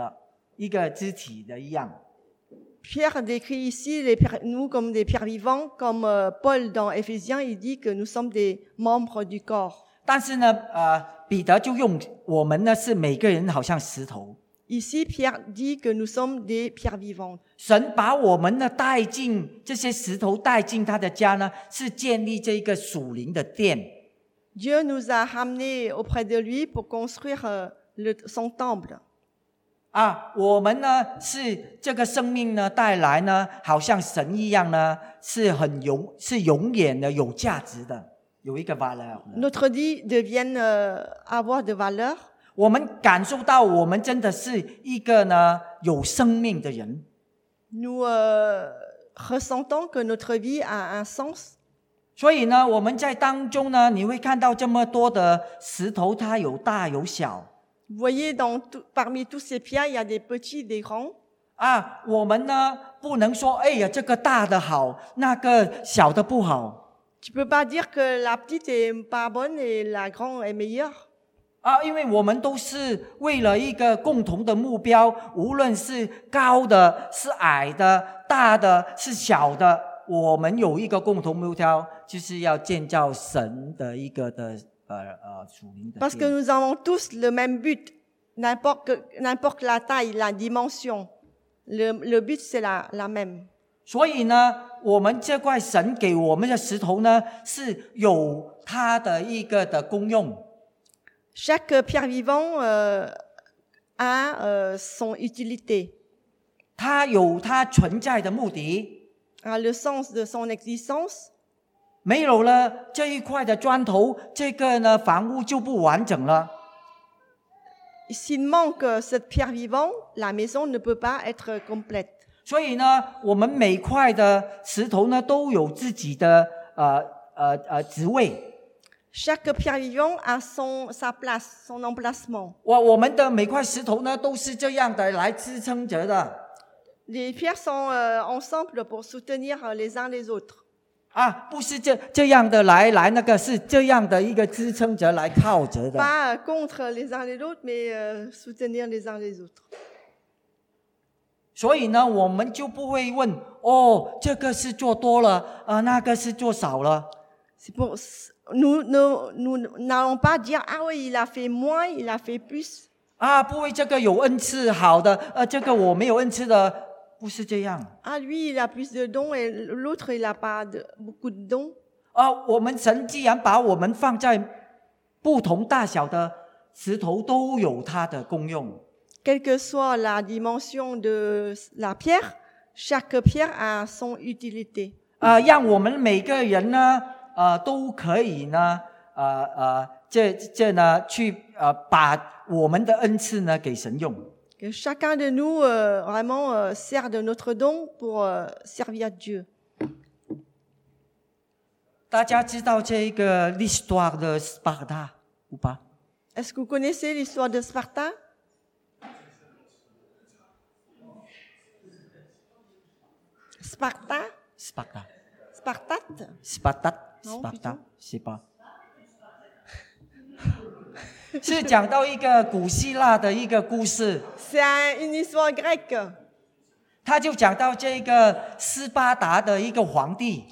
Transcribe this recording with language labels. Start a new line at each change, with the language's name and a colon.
Chinese: 所以他就形容一间教会不是好像讲到以弗所书的我们是肢体的一个肢体的一样。
French: Pierre décrit ici nous comme des pierres vivantes, comme Paul dans Éphésiens, il dit que nous sommes des membres du corps.
Chinese: 但是呢, 彼得就用我们呢, 是每个人好像石头。
French: Ici, Pierre dit que nous sommes des pierres vivantes.
Chinese: 神把我们呢, 带进这些石头, 带进他的家呢, 是建立这一个属灵的殿。
French: Dieu nous a ramenés auprès de lui pour construire son temple.
Chinese: 啊, 我们呢, 是这个生命呢, 带来呢, 好像神一样呢, 是很永, 是永远的, 有价值的, 有一个 valeur。
French: Notre vie devient avoir de valeur.
Chinese: 我们感受到我们真的是一个呢, 有生命的人。
French: Nous ressentons que notre vie a un sens.
Chinese: 所以呢，我们在当中呢，你会看到这么多的石头，它有大有小。
French: Voyez dans tout, parmi tous ces pierres, il y a des petits, des grands.
Chinese: 啊，我们呢不能说，哎呀，这个大的好，那个小的不好。
French: Tu peux pas dire que la petite est pas bonne et la grande est meilleure.
Chinese: 啊，因为我们都是为了一个共同的目标，无论是高的、是矮的、大的、是小的。我们有一个共同目标，就是要建造神的一个的属灵的殿。
French: Parce que nous avons tous le même but, n'importe la taille, la dimension, le but c'est la même.
Chinese: 所以呢，我们这块神给我们的石头呢，是有它的一个的功用。
French: Chaque pierre vivant a son utilité.
Chinese: 它有它存在的目的。
French: Le sens de son existence.
Chinese: 没有了这一块的砖头，这个呢房屋就不完整了。
French: S'il manque cette pierre vivante, la maison ne peut pas être complète.
Chinese: 所以呢，我们每块的石头呢都有自己的职位。
French: Chaque pierre vivante a sa place, son emplacement.
Chinese: 我们的每块石头呢都是这样的来支撑着的。
French: Les pierres sont ensemble pour soutenir les uns les autres.
Chinese: 啊，不是这样的来那个，是这样的一个支撑着来靠着的。
French: Pas contre les uns les autres, mais soutenir les uns les autres.
Chinese: 所以呢，我们就不会问哦，这个是做多了，那个是做少了。
French: C'est pour nous n'allons pas dire ah oui il a fait moins, il a fait plus.
Chinese: 啊，不会这个有恩赐好的，这个我没有恩赐的。不是这样。
French: 啊， lui il a plus de dons et l'autre il a pas de beaucoup de dons。
Chinese: 啊，我们神既然把我们放在不同大小的石头，都有它的功用。
French: Quelle que soit la dimension de la pierre, chaque pierre a son utilité。
Chinese: 啊，让我们每个人呢，都可以呢，这呢，去把我们的恩赐呢给神用。
French: Que chacun de nous vraiment sert de notre don pour servir Dieu.
Chinese: 大家知道这个
French: l'histoire de Sparta ou pas? Est-ce que vous connaissez l'histoire de Sparta? Sparta? Sparta. Spartate? Spartate? Sparta? Je sais pas.
Chinese: 是讲到一个古希腊的一个故事。
French: C'est une histoire grecque.
Chinese: 他就讲到这个斯巴达的一个皇帝。